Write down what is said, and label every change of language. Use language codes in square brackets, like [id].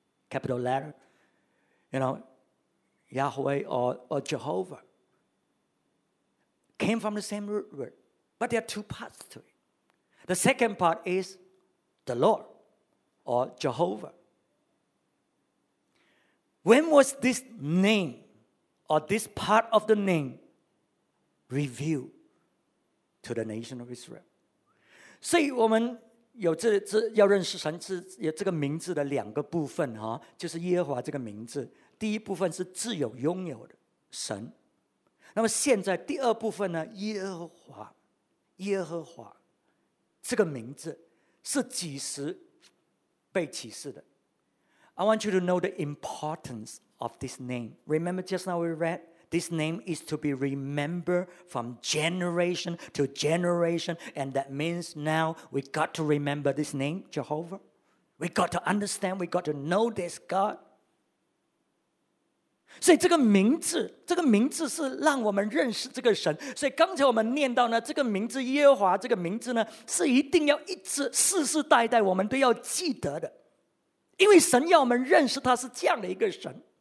[en] Capital letter, you know, Yahweh or Jehovah came from the same root word, but there are two parts to it. The second part is the Lord or Jehovah. When was this name or this part of the name revealed to the nation of Israel? [zh] 所以我们有这要认识神是有这个名字的两个部分，就是耶和华这个名字，第一部分是自有拥有的神，那么现在第二部分呢，耶和华这个名字是几时被启示的。 [en] I want you to know the importance of this name. Remember just now we readThis name is to be remembered from generation to generation. And that means now we got to remember this name, Jehovah. We got to understand, we got to know this God. [zh] 所以这个名字是让我们认识这个神。所以刚才我们念到呢，这个名字耶和华这个名字呢，是一定要一直世世代代我们都要记得的。因为神要我们认识他是这样的一个神。